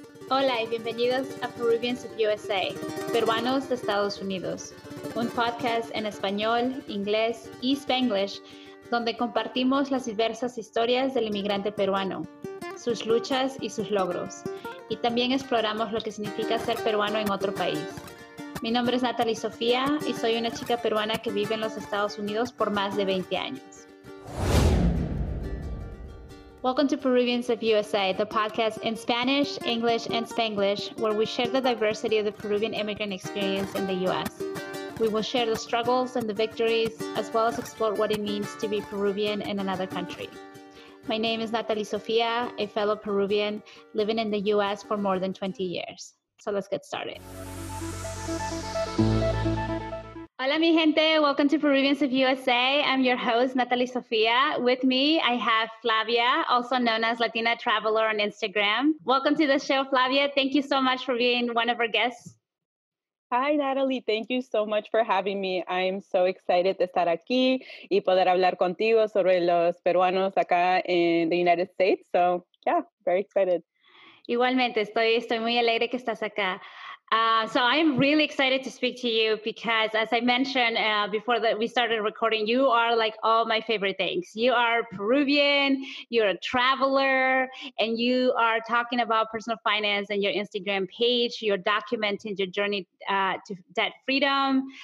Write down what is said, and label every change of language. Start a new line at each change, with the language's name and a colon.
Spanish: Hola y bienvenidos a Peruvians of USA, Peruanos de Estados Unidos, un podcast en español, inglés y Spanglish, donde compartimos las diversas historias del inmigrante peruano, sus luchas y sus logros, y también exploramos lo que significa ser peruano en otro país. Mi nombre es Natalie Sofía y soy una chica peruana que vive en los Estados Unidos por más de 20 años.
English: Welcome to Peruvians of USA, the podcast in Spanish, English, and Spanglish, where we share the diversity of the Peruvian immigrant experience in the U.S. We will share the struggles and the victories, as well as explore what it means to be Peruvian in another country. My name is Natalie Sofía, a fellow Peruvian living in the U.S. for more than 20 years. So let's get started.
Spanish: Hola, mi gente.
English: Welcome to Peruvians of USA. I'm your host, Natalie Sofía. With me, I have Flavia, also known as Latina Traveler on Instagram. Welcome to the show, Flavia. Thank you so much for being one of our guests. Hi, Natalie. Thank you so much for having me. I'm so excited to
Spanish: estar aquí y poder hablar contigo sobre los peruanos acá
English: in the United States. So, yeah, very excited.
Spanish: Igualmente. Estoy muy alegre que estás acá.
English: So I'm really excited to speak to you because, as I mentioned before that we started recording, you are like all my favorite things. You are Peruvian, you're a traveler, and you are talking about personal finance and your Instagram page. You're documenting your journey to debt freedom.